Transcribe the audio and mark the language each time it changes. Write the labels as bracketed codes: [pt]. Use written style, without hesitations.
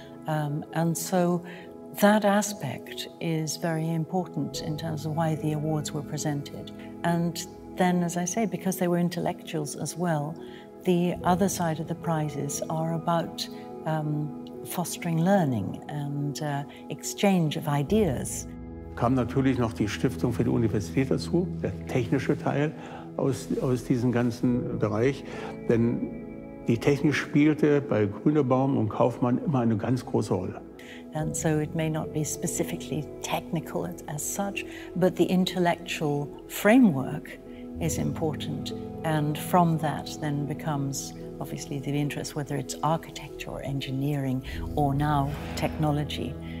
[en] And so that aspect is very important in terms of why the awards were presented. And then, as I say, because they were intellectuals as well, the other side of the prizes are about fostering learning and exchange of ideas. [de] Kam natürlich noch die Stiftung für die Universität dazu, der technische Teil aus diesem ganzen Bereich. Denn die Technik spielte bei Grünebaum und Kaufmann immer eine ganz große Rolle. [en] And so it may not be specifically technical as such, but the intellectual framework is important. And from that then becomes obviously the interest, whether it's architecture or engineering or now technology.